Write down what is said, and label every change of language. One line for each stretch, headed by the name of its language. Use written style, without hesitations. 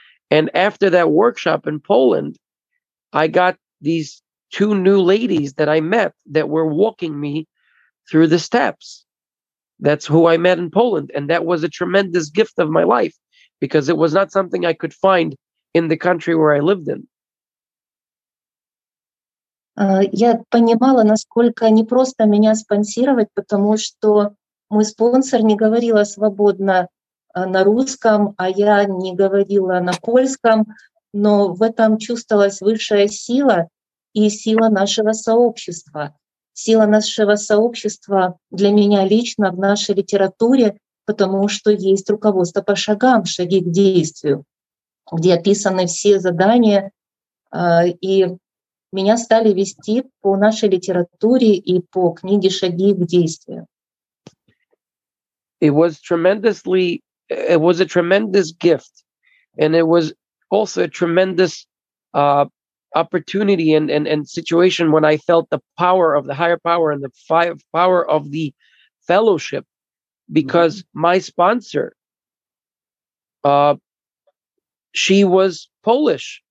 English: And after that workshop in Poland, I got these two new ladies that I met that were walking me through the steps. That's who I met in Poland. And that was a tremendous gift of my life because it was not something I could find in the country where I lived in.
Russian: Я понимала, насколько непросто меня спонсировать, потому что мой спонсор не говорила свободно на русском, а я не говорила на польском, но в этом чувствовалась высшая сила и сила нашего сообщества. Сила нашего сообщества для меня лично в нашей литературе, потому что есть руководство по шагам, шаги к действию, где описаны все задания, и меня стали вести по нашей литературе и по книге «Шаги к действию».
English: It was a tremendous gift, and it was also a tremendous opportunity and situation when I felt the power of the higher power and the power of the fellowship, because my sponsor, she was Polish.